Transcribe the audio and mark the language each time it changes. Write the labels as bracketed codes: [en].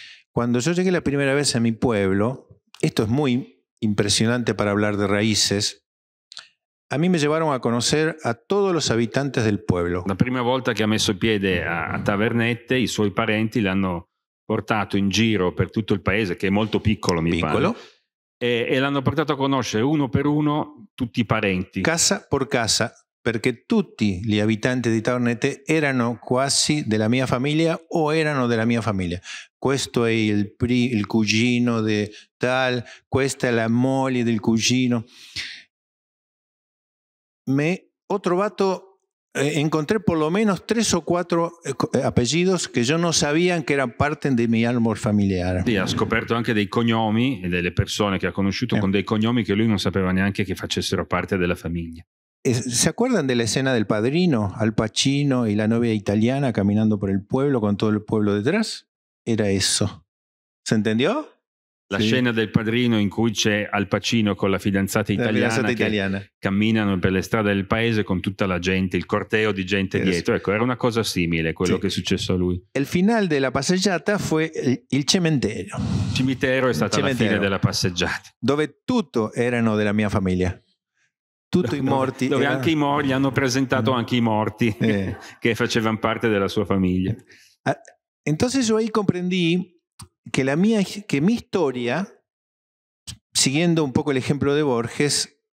[it] Quando io [es] llegué la prima vez a mi pueblo, esto es muy impresionante para hablar de raíces, a mí me llevaron a conocer a todos los habitantes del pueblo. [it] La prima volta che ha messo piede a Tabernete, i suoi parenti l'hanno portato in giro per tutto il paese, che è molto piccolo, mi pare, e l'hanno portato a conoscere uno per uno tutti i parenti. Casa per casa, perché tutti gli abitanti di Tabernete erano quasi della mia famiglia o erano della mia famiglia. Questo è il cugino di tal, questa è la moglie del cugino. Me ho trovato... [es] encontré por lo menos tres o cuatro apellidos que yo no sabía que eran parte de mi árbol familiar. [it] Sí, ha scoperto anche dei cognomi e delle persone che ha conosciuto con dei cognomi che lui non sapeva neanche che facessero parte della famiglia. [es] ¿Se acuerdan de la escena del Padrino, Al Pacino y la novia italiana caminando por el pueblo con todo el pueblo detrás? Era eso. ¿Se entendió? [it] La scena del Padrino in cui c'è Al Pacino con la fidanzata italiana camminano per le strade del paese con tutta la gente, il corteo di gente dietro. Ecco, era una cosa simile a quello che è successo a lui. Il finale della passeggiata fu il cimitero. Il cimitero è stata la fine della passeggiata. Dove tutto erano della mia famiglia. Tutti i morti. Dove anche i morti, hanno presentato anche i morti che facevano parte della sua famiglia. [es] Entonces io ahí comprendí que mi historia, siguiendo un poco el ejemplo de Borges,